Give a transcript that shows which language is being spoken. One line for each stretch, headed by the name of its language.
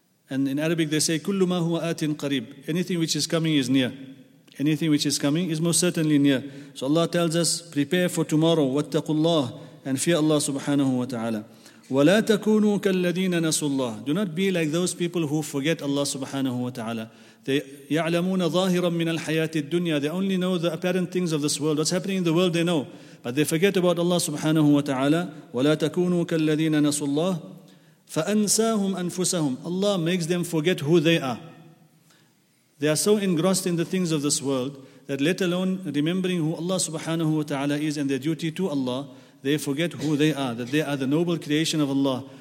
English: And in Arabic they say,
Arabic: كُلُّ مَا هُوَ آتٍ قَرِيبٌ.
English: Anything which is coming is near. Anything which is coming is most certainly near. So Allah tells us, prepare for tomorrow,
Arabic: وَاتَّقُوا اللَّهِ,
English: and fear Allah subhanahu wa ta'ala.
Arabic: وَلَا تَكُونُوا كَالَّذِينَ نَسُوا اللَّهِ.
English: Do not be like those people who forget Allah subhanahu wa ta'ala. They
Arabic: يَعْلَمُونَ ظَاهِرًا مِّنَ الْحَيَاةِ الدُّنْيَا.
English: They only know the apparent things of this world. What's happening in the world, they know. But they forget about Allah subhanahu wa ta'ala.
Arabic: وَلَا تَكُونُوا كَالَّذِينَ نَسُوا اللَّهِ فَأَنْسَاهُمْ أَنفُسَهُمْ.
English: Allah makes them forget who they are. They are so engrossed in the things of this world that let alone remembering who Allah subhanahu wa ta'ala is and their duty to Allah, they forget who they are, that they are the noble creation of Allah.